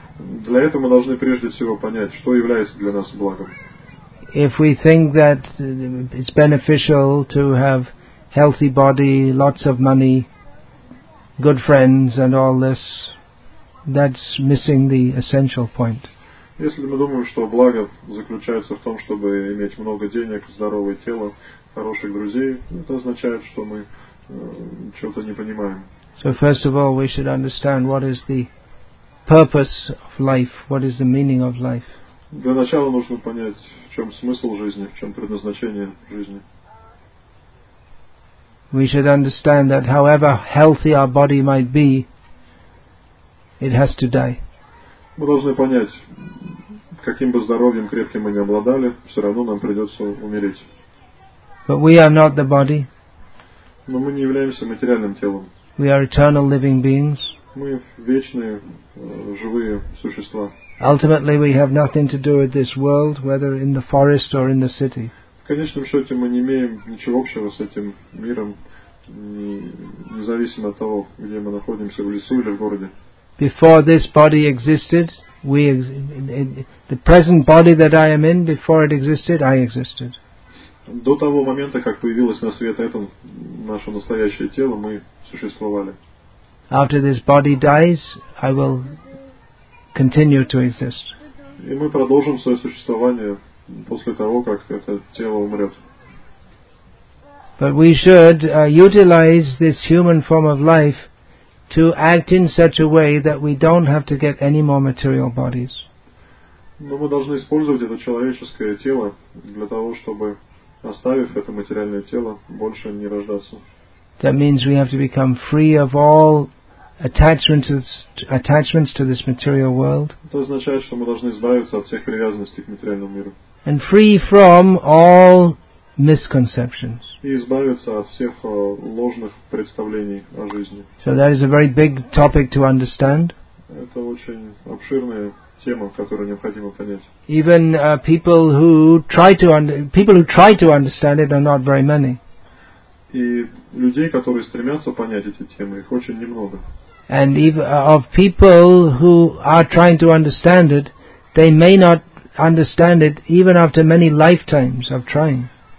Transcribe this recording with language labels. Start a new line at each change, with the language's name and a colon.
Russian: Для этого мы должны прежде всего понять, что является для нас благом.
English: If we think that it's beneficial to have healthy body, lots of money, good friends, and all this, that's missing the essential point.
Russian: Если мы думаем, что благо заключается в том, чтобы иметь много денег, здоровое тело, хороших друзей, это означает, что мы чего-то не понимаем.
English: So first of all, we should understand what is the purpose of life, what is the meaning of life.
Russian: Для начала нужно понять, в чем смысл жизни, в чем предназначение жизни.
English: We should understand that however healthy our body might be, it has to die.
Russian: Мы должны понять, каким бы здоровьем крепким мы ни обладали, все равно нам придется умереть.
English: But we are not the body.
Russian: Но мы не являемся материальным телом.
English: We are eternal living beings.
Russian: Мы вечные, живые существа.
English: Ultimately, we have nothing to do with this world, whether in the forest or in the city.
Russian: В конечном счете, мы не имеем ничего общего с этим миром, независимо от того, где мы находимся, в лесу или в городе.
English: Before this body existed, the present body that I am in, before it existed, I existed.
Russian: До того момента, как появилось на свет это наше настоящее тело, мы существовали.
English: After this body dies, I will continue to exist.
Russian: И мы продолжим свое существование после того, как это тело умрет.
English: But we should utilize this human form of life to act in such a way that we don't have to get any more material bodies.
Russian: Но мы должны использовать это человеческое тело для того, чтобы оставив это материальное тело, больше не рождаться.
English: That means we have to become free of all attachments to this material world.
Russian: Это означает, что мы должны избавиться от всех привязанностей к материальному миру.
English: And free from all misconceptions.
Russian: И избавиться от всех ложных представлений о жизни.
English: So that is a very big topic to understand.
Russian: Это очень обширная тема, которую необходимо понять.
English: Even people who try to understand it are not very many.
Russian: И людей, которые стремятся понять эти темы, их очень немного.
English: And even of people who are trying to understand it, they may not understand it even after many lifetimes of trying.